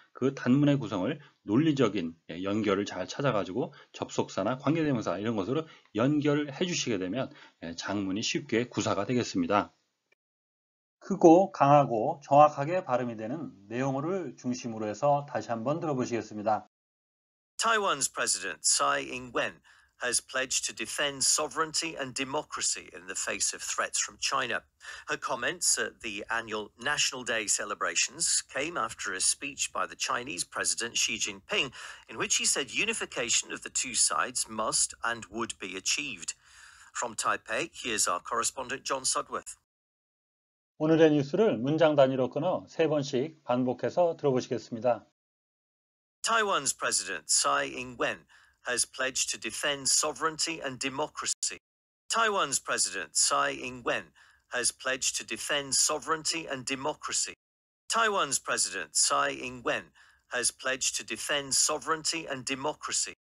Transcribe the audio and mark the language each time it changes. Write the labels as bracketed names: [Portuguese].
[Korean] 그 단문의 구성을 논리적인 연결을 잘 찾아가지고 접속사나 관계대명사 이런 것으로 연결을 해주시게 되면 장문이 쉽게 구사가 되겠습니다. 크고 강하고 정확하게 발음이 되는 내용을 중심으로 해서 다시 한번 들어보시겠습니다. [English] Taiwan's president Tsai Ing-wen has pledged to defend sovereignty and democracy in the face of threats from China. Her comments at the annual National Day celebrations came after a speech by the Chinese president Xi Jinping, in which he said unification of the two sides must and would be achieved. From Taipei, here's our correspondent John Sudworth. [Korean] 오늘의 뉴스를 문장 단위로 끊어 세 번씩 반복해서 들어보시겠습니다. [English] Taiwan's president Tsai Ing-wen has pledged to defend sovereignty and democracy. Taiwan's president Tsai Ing-wen has pledged to defend sovereignty and democracy. Taiwan's president Tsai Ing-wen has pledged to defend sovereignty and democracy.